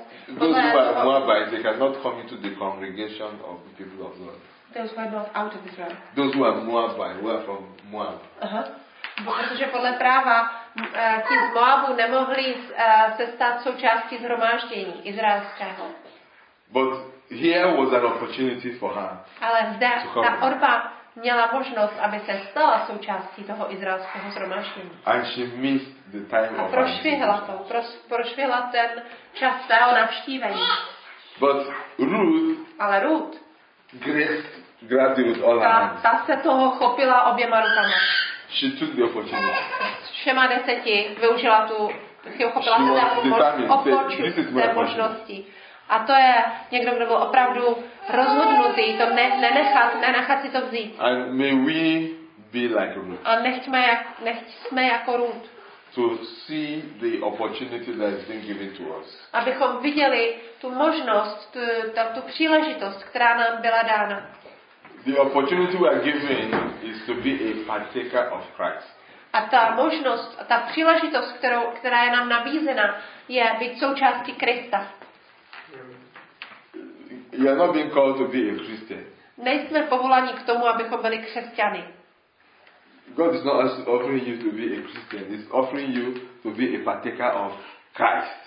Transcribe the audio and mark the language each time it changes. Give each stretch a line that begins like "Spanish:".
English: Moabites, they cannot come into the congregation of the people of God. Those who are not out of Israel. Those who are Moabites, who are from Moab.
Czech: Protože podle práva ti z Moabu nemohli se stát součástí zhromáždění izraelského.
English: But here was an opportunity for her.
Czech: Ale zde ta Orpa měla možnost, aby se stala součástí toho izraelského zhromáždění.
English: And she missed the time
Czech: a prošvihla to, prošvihla ten čas svého navštívení.
English: But Ruth,
Czech: ale Ruth
English: grabbed it with all her hands.
Czech: Ta se toho chopila oběma rukama.
English: She took the opportunity.
Czech: Všema deseti využila tu, chopila se té možnosti. A to je někdo, kdo byl opravdu rozhodnutý to nenechat si to vzít.
English: And may we be like Ruth.
Czech: A nechť jsme jako Ruth.
English: To see the opportunity that has been given to us.
Czech: Abychom viděli tu možnost, tu příležitost, která nám byla dána.
English: The opportunity we are given is to be a partaker of Christ.
Czech: A ta možnost, ta příležitost, která je nám nabízena, je být součástí Krista.
English: You are not being called to be a Christian.
Czech: Nejsme povoláni k tomu, abychom byli křesťany.
English: God is not offering you to be a Christian. He's offering you to be a partaker of Christ.